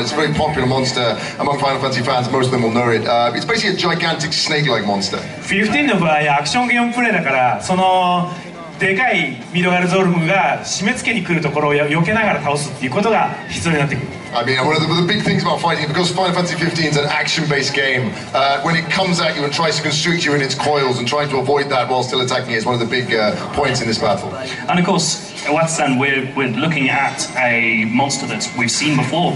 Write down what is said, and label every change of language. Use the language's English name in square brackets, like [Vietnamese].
[English] It's a very popular monster among Final Fantasy fans, most of them will know it. It's basically a gigantic snake-like monster. [Japanese] 15 の場合アクションゲームプレイだから、そのでかいミドガルゾルムが締め付けに来るところを避けながら倒すっていうことが必要になってくる。 [English] I mean, one of the big things about fighting, because Final Fantasy XV is an action-based game, when it comes at you and tries to constrict you in its coils and trying to avoid that while still attacking is one of the big points in this battle. And of course, Iwata-san, we're looking at a monster that we've seen before.